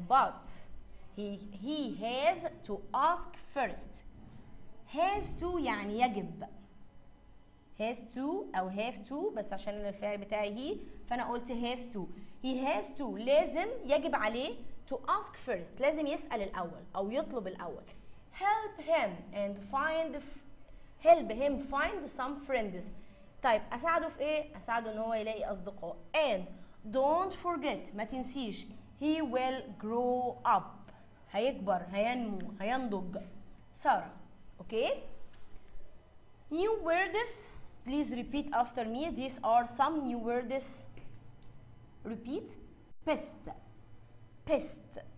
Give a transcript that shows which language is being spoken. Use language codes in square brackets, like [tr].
[en] But he has to ask first. [ar] Has to يعني يجب. Has to أو have to بس عشان الفعل بتاعي هي. فأنا قلت has to. [en] He has to. [ar] لازم يجب عليه. [en] To ask first. [ar] لازم يسأل الأول أو يطلب الأول. [en] Help him and find help him find some friends. [ar] طيب أساعده في إيه؟ أساعده إن هو يلاقي أصدقاء. [en] And don't forget. [ar] ما تنسيش. [en] He will grow up. [ar] هيكبر هينمو هينضج. سارة. [en] Okay. New words. Please repeat after me. These are some new words. Repeat. Pest. Pest.